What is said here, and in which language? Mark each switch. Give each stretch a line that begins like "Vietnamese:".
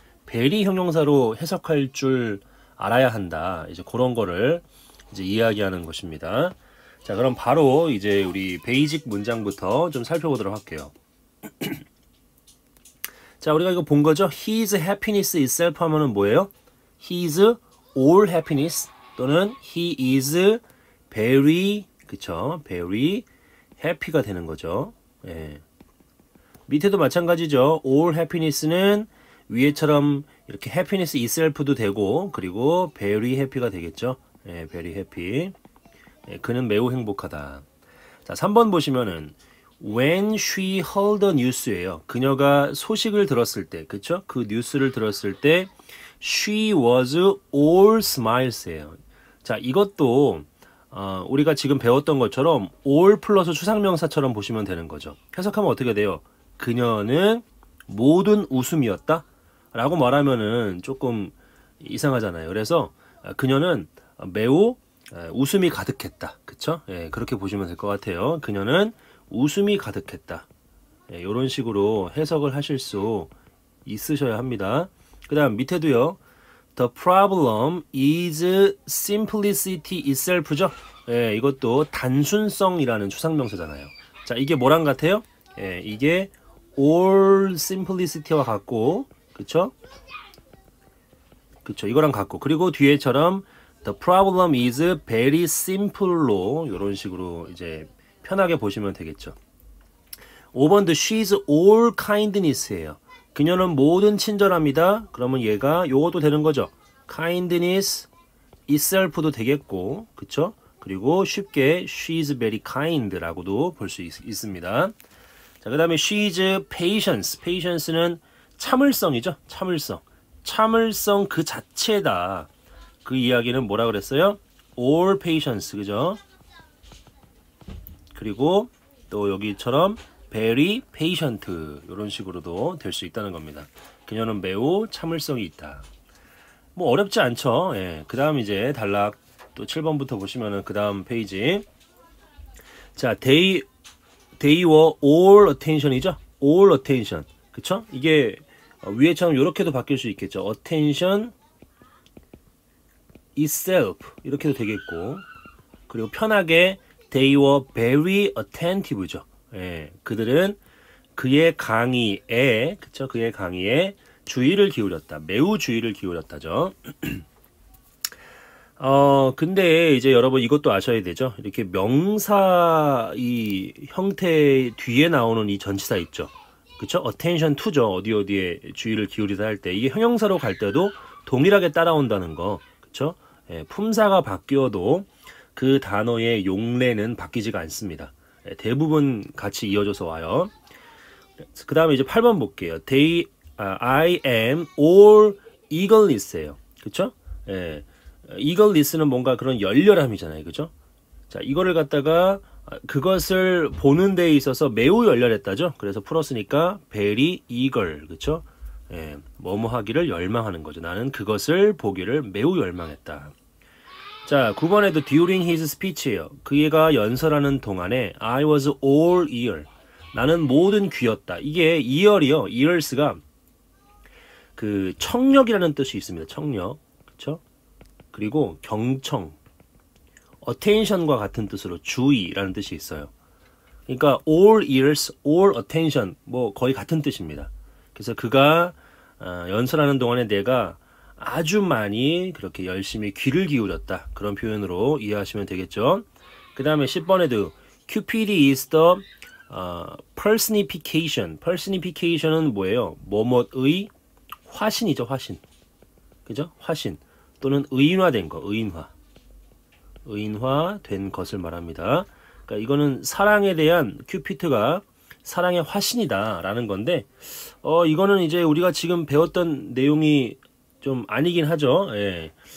Korean: very 형용사로 해석할 줄 알아야 한다. 이제 그런 거를 이제 이야기하는 것입니다. 자, 그럼 바로 이제 우리 베이직 문장부터 좀 살펴보도록 할게요. 자, 우리가 이거 본 거죠?
English: His happiness itself
Korean: 하면은 뭐예요?
English: He's all happiness
Korean: 또는
English: he is very, 그쵸?
Korean: Very happy가 되는 거죠. 예. 밑에도 마찬가지죠. All happiness는 위에처럼 이렇게
English: happiness itself
Korean: 도 되고, 그리고
English: very happy
Korean: 가 되겠죠. 예, very happy. 그는 매우 행복하다. 자, 3번 보시면은
English: when she heard the news예요.
Korean: 그녀가 소식을 들었을 때, 그쵸? 그 뉴스를 들었을 때
English: she was all smiles
Korean: 예요. 자, 이것도 우리가 지금 배웠던 것처럼 all 플러스 추상명사처럼 보시면 되는 거죠. 해석하면 어떻게 돼요? 그녀는 모든 웃음이었다? 라고 말하면은 조금 이상하잖아요. 그래서 그녀는 매우 웃음이 가득했다. 그쵸? 예, 그렇게 보시면 될것 같아요. 그녀는 웃음이 가득했다. 예, 요런 식으로 해석을 하실 수 있으셔야 합니다. 그 다음 밑에도요.
English: The problem is simplicity itself죠?
Korean: 예, 이것도 단순성이라는 추상명사잖아요. 자, 이게 뭐랑 같아요? 예, 이게
English: all simplicity
Korean: 와 같고, 그쵸? 그쵸, 이거랑 같고. 그리고 뒤에처럼
English: The problem is very simple
Korean: 로 이런 식으로 이제 편하게 보시면 되겠죠.
English: 5번, the she's all kindness예요.
Korean: 그녀는 모든 친절합니다. 그러면 얘가 요것도 되는 거죠. kindness itself도 되겠고, 그쵸? 그리고 쉽게
English: she's very kind
Korean: 라고도 볼수 있습니다. 자, 그 다음에
English: she's patience.
Korean: patience는 참을성이죠. 참을성. 참을성 그 자체다. 그 이야기는 뭐라 그랬어요?
English: All patience, 그죠?
Korean: 그리고 또 여기처럼
English: very patient
Korean: 이런 식으로도 될수 있다는 겁니다. 그녀는 매우 참을성이 있다. 뭐 어렵지 않죠? 예. 그 다음 이제 단락 또 7번부터 보시면은 그 다음 페이지.
English: 자, they were all attention이죠? All attention. 그쵸?
Korean: 이게 위에처럼 이렇게도 바뀔 수 있겠죠.
English: Attention itself
Korean: 이렇게도 되겠고, 그리고 편하게
English: they were very attentive
Korean: 죠. 예, 그들은 그의 강의에, 그쵸? 그의 강의에 주의를 기울였다. 매우 주의를 기울였다죠. 근데 이제 여러분 이것도 아셔야 되죠. 이렇게 명사 이 형태 뒤에 나오는 이 전치사 있죠. 그쵸? attention to죠. 어디 어디에 주의를 기울이다 할 때. 이게 형용사로 갈 때도 동일하게 따라온다는 거. 그쵸? 예, 품사가 바뀌어도 그 단어의 용례는 바뀌지가 않습니다. 예, 대부분 같이 이어져서 와요. 그 다음에 이제 8번 볼게요.
English: I am all eagerness예요.
Korean: 그쵸? 예, eagerness는 뭔가 그런 열렬함이잖아요. 그죠? 자, 이거를 갖다가 그것을 보는 데 있어서 매우 열렬했다죠? 그래서 풀었으니까 very eager. 그쵸? 예, 뭐뭐 하기를 열망하는 거죠. 나는 그것을 보기를 매우 열망했다. 자, 9번에도
English: during his speech
Korean: 예요. 그가 연설하는 동안에
English: I was all ear.
Korean: 나는 모든 귀였다. 이게 ear이요. ears가 그 청력이라는 뜻이 있습니다. 청력. 그쵸? 그리고 경청. attention과 같은 뜻으로 주의라는 뜻이 있어요. 그러니까 all ears, all attention. 뭐 거의 같은 뜻입니다. 그래서 그가 연설하는 동안에 내가 아주 많이 그렇게 열심히 귀를 기울였다. 그런 표현으로 이해하시면 되겠죠. 그 다음에 10번에도
English: Cupid is the personification.
Korean: personification은 뭐예요? 뭐뭇의 화신이죠. 화신. 그죠? 화신. 또는 의인화된 거. 의인화. 의인화된 것을 말합니다. 그러니까 이거는 사랑에 대한 큐피트가 사랑의 화신이다 라는 건데 이거는 이제 우리가 지금 배웠던 내용이 좀 아니긴 하죠. 예.